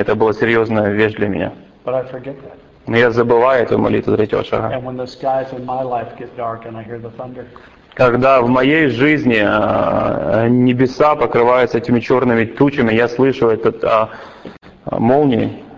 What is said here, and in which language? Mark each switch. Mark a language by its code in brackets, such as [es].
[ru] Это была серьезная вещь для меня. [en] But I forget that. [ru] Но я забываю эту молитву третьего шага. [en] And when the skies in my life get dark and I hear the thunder. [ru] Когда в моей жизни небеса покрываются этими черными тучами, я слышу этот молнии.